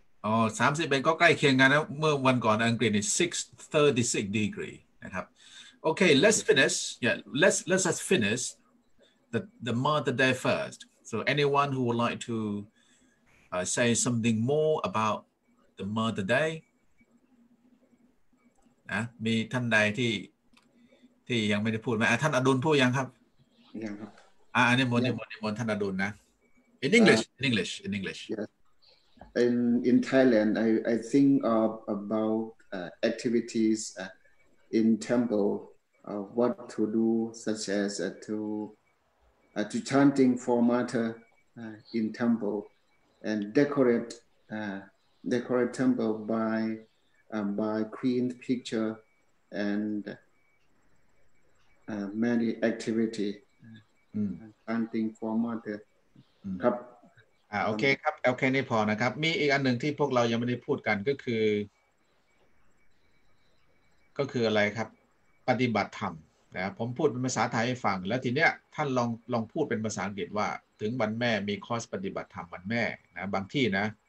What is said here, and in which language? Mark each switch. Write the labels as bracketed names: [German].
[Thai] อ๋อ30เป็นก็ใกล้เคียงกันนะเมื่อวันก่อนอังกฤษนี่636 degree นะครับโอเค [English] let's finish yeah let's just finish the mother day first so anyone who would like toSay something more about the Mother Day. [Thai] นะมีท่านใดที่ยังไม่ได้พูดไหมท่านอดุลพูดยังครับ ยังครับ นิมนต์ท่านอดุลนะ [English] In English. Yeah. In Thailand, I think of about activities in temple of what to do such as to chanting for mother in temple. And decorate temple by queen picture and many activity chanting for mother ครับ [Thai] โอเคครับโอเคนี่พอนะครับมีอีกอันหนึ่งที่พวกเรายังไม่ได้พูดกันก็คืออะไรครับปฏิบัติธรรมนะผมพูดเป็นภาษาไทยให้ฟังแล้วทีเนี้ยท่านลองพูดเป็นภาษาอังกฤษว่าถึงวันแม่มีคอร์สปฏิบัติธรรมวันแม่นะบางที่นะ